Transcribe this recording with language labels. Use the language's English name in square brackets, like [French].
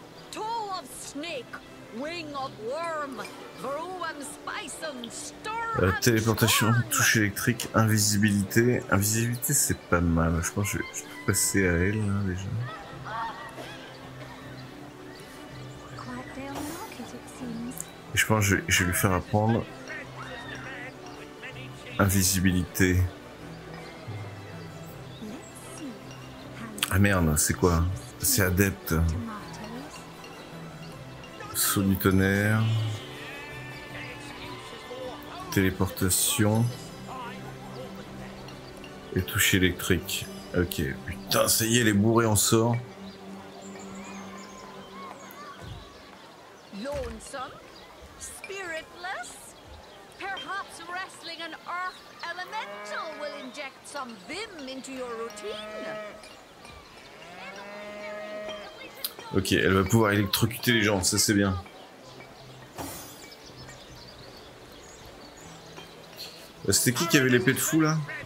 [English] Toe of snake, wing of worm, vroom spice and storm. [French] Téléportation, touche électrique, invisibilité. Invisibilité, c'est pas mal. Je pense que je peux passer à elle hein, déjà. Et je pense que je vais lui faire apprendre invisibilité. Ah merde, c'est quoi? C'est adepte. Saut du tonnerre. Téléportation. Et toucher électrique. Ok, putain, ça y est, les bourrés en sort. [English] Lonesome, spiritless, perhaps wrestling an earth elemental will inject some vim into your routine. [French] Ok, elle va pouvoir électrocuter les gens, ça c'est bien. C'était qui avait l'épée de fou là?